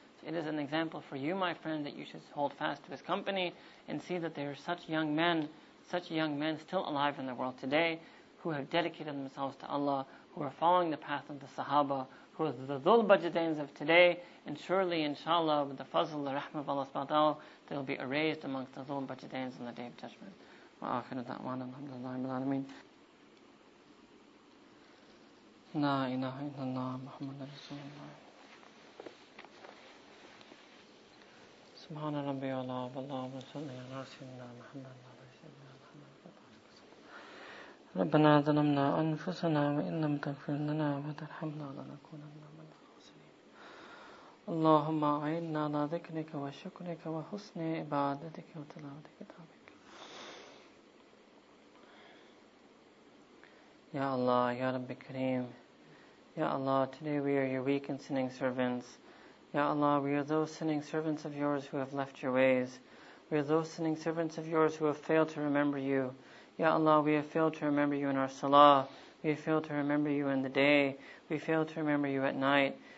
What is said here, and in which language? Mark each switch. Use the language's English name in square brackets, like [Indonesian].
[English] So it is an example for you, my friend, that you should hold fast to his company and see that there are such young men still alive in the world today who have dedicated themselves to Allah, who are following the path of the Sahaba, who are the Dhul Bajadains of today, and surely, inshallah, with the fazl, the rahmah of Allah subhanahu wa ta'ala, they will be erased amongst the Dhul Bajadains on the Day of Judgment. [Arabic] Wa akhiru da'wana alhamdulillahi rabbil alameen. لا إله إلا الله محمد رسول الله سبحان ربي العلى اللهم صل على سيدنا محمد وعلى سيدنا محمد ربنا ظلمنا أنفسنا وإن لم تغفر لنا وترحمنا لنكونن من الخاسرين اللهم أعنا على ذكرك وشكرك وحسن عبادتك وتلاوة كتابك يا الله يا رب كريم. [English] Ya Allah, today we are your weak and sinning servants. Ya Allah, we are those sinning servants of yours who have left your ways. We are those sinning servants of yours who have failed to remember you. Ya Allah, we have failed to remember you in our salah. We have failed to remember you in the day. We failed to remember you at night.